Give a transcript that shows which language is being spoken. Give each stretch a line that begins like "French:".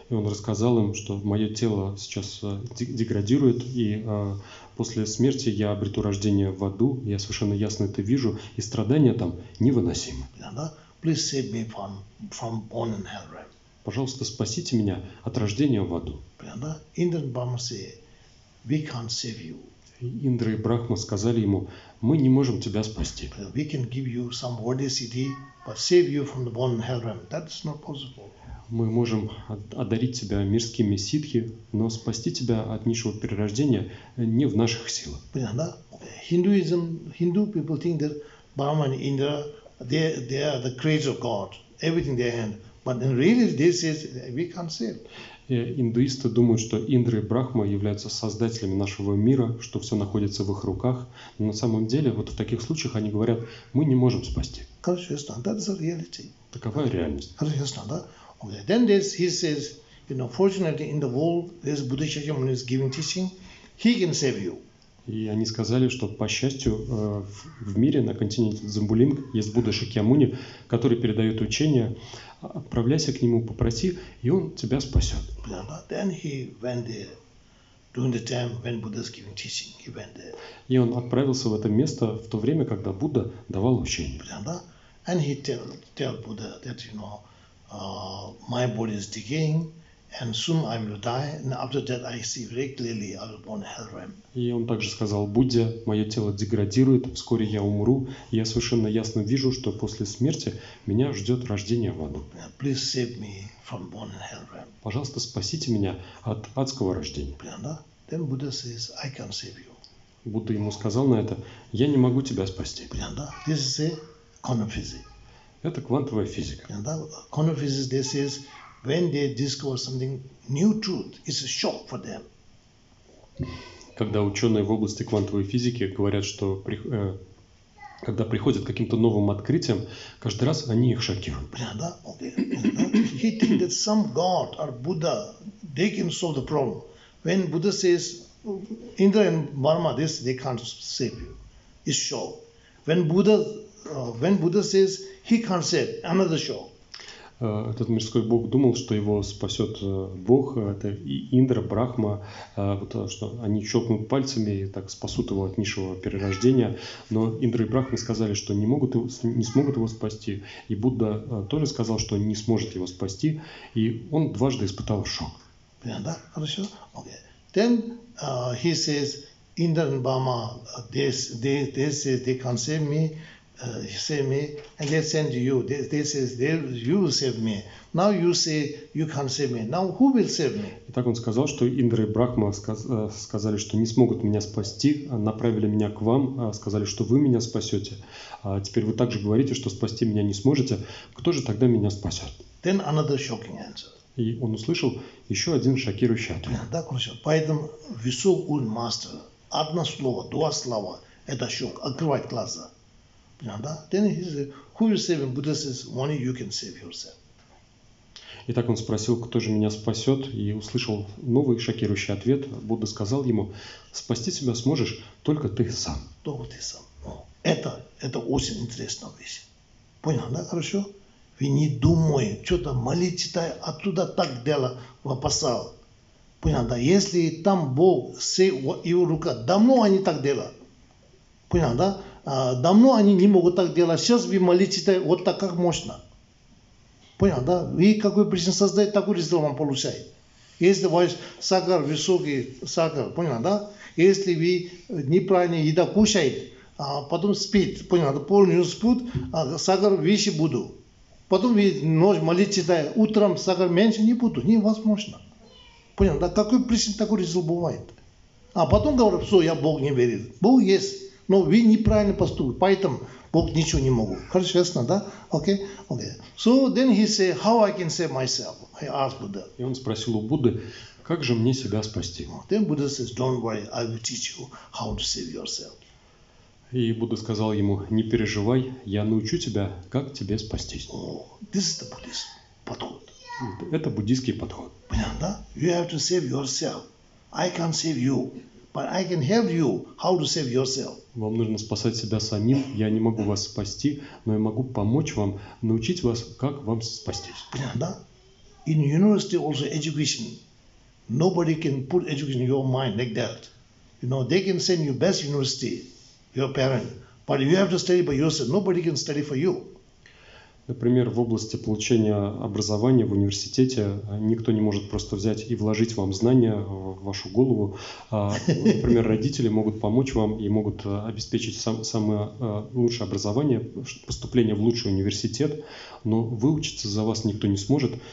Russian: И он рассказал им, что мое тело сейчас деградирует, и после смерти я обрету рождение в аду. Я совершенно ясно это вижу, и страдания там невыносимы.
English: Please save me from born in hell realm.
Russian: Пожалуйста, спасите меня от рождения в аду.
English: Indra and Brahma say, we can't save you.
Russian: Индра и Брахма сказали ему: мы не можем тебя спасти.
English: We can give you some body city, but save you from the born in hell realm. That's not possible.
Russian: Мы можем одарить тебя мирскими ситхи, но спасти тебя от низшего перерождения не в наших силах. Понятно?
English: Hinduism, Hindu people think that Brahma and Indra, they are the creator of God, everything they have. But in reality, this is we can't save.
Russian: Индуисты думают, что Индра и Брахма являются создателями нашего мира, что все находится в их руках. Но на самом деле, вот в таких случаях они говорят: мы не можем спасти. Такова реальность. И они сказали, что по счастью в мире на континенте Дзамбулинг есть Будда Шакьямуни, который передает учение. Отправляйся к нему, попроси, и он тебя спасет.
English: Then he went there during the time when Buddha's giving teaching. He went there.
Russian: И он отправился в это место в то время, когда Будда давал учение.
English: And he tell Buddha that you know my body is decaying. And soon I will die, and after that I see very clearly I will born in hell realm.
Russian: И он также сказал Будде: мое тело деградирует, вскоре я умру. Я совершенно ясно вижу, что после смерти меня ждет рождение в аду.
English: Please save me from born in hell realm.
Russian: Пожалуйста, спасите меня от адского рождения. Понятно?
English: Then Buddha says, I can save you.
Russian: Будда ему сказал на это: я не могу тебя спасти. Понятно?
English: This is a quantum physics.
Russian: Это квантовая физика. Понятно?
English: Quantum physics, this is when they discover something new truth, it's a shock for them.
Russian: Когда ученые в области квантовой физики говорят, что когда приходят к каким-то новым открытиям, каждый раз они их шокируют.
English: He thinks that some god or Buddha, they can solve the problem. When Buddha says Indra and Brahma, this they can't save you, it's shock. When Buddha says he can't save, another shock.
Russian: Этот мирской бог думал, что его спасет бог, это Индра, Брахма, вот, что они щелкнут пальцами и так спасут его от низшего перерождения. Но Индра и Брахма сказали, что не смогут его спасти. И Будда тоже сказал, что не сможет его спасти. И он дважды испытал шок. Да, хорошо. Okay.
English: Then he says, Indra and Brahma, they say they can't save me. Save me, and they send you. They says they you save me. Now you say you can't save me. Now who will save me?
Russian: И так он сказал, что Индра и Брахма сказали, что не смогут меня спасти, направили меня к вам, сказали, что вы меня спасете. Теперь вы также говорите, что спасти меня не сможете. Кто же тогда меня спасет?
English: Then another shocking answer.
Russian: И он услышал еще один шокирующий ответ. Да, хорошо. Поэтому высокий мастер одно слово, два слова это шок, открывает глаза.
English: Then he said, "Who you save?" And Buddha says, "Only you can save yourself."
Russian: И так он спросил, кто же меня спасет, и услышал новый шокирующий ответ. Будда сказал ему: спасти себя сможешь только ты сам. Только ты сам. Это очень интересная вещь. Понял, да? Хорошо? Вы не думай, что-то молить читай, оттуда так дело вопасал. Понял, да? Если там Бог, его рука, давно они так дело. Понял, да? Давно они не могут так делать. Сейчас вы молитесь вот так, как можно. Понял, да? Вы какой причин создаете, такой результат вам получаете. Если ваш сахар высокий, сахар, понял, да? Если вы неправильно еда кушаете, а потом спит, понял, да? Полный спит, а сахар выше буду. Потом вы ночь молитесь, утром сахар меньше не буду. Невозможно. Понял, да? Какой причин такой результат бывает? А потом говорю, все, я Бог не верю. Бог есть, но вы неправильно поступили, поэтому Бог ничего не могу. Хорошо, ясно, да? Окей? Окей.
English: So then he say, how I can save myself? I asked Buddha.
Russian: И он спросил у Будды, как же мне себя спасти?
English: Then Buddha says, don't worry, I will teach you how to save yourself.
Russian: И Будда сказал ему, не переживай, я научу тебя, как тебе спастись.
English: Oh, this is the Buddhist подход.
Russian: Это буддийский подход. Понятно, да?
English: You have to save yourself. I can't save you, but I can help you how to save yourself.
Russian: Вам нужно спасать себя самим. Я не могу вас спасти, но я могу помочь вам, научить вас, как вам спастись. Понятно, да?
English: In university also education. Nobody can put education in your mind like that. You know, they can send you best university, your parent, but you have to study by yourself. Nobody can study for you.
Russian: Например, в области получения образования в университете никто не может просто взять и вложить вам знания в вашу голову. Например, родители могут помочь вам и могут обеспечить самое лучшее образование, поступление в лучший университет, но выучиться за вас никто не сможет.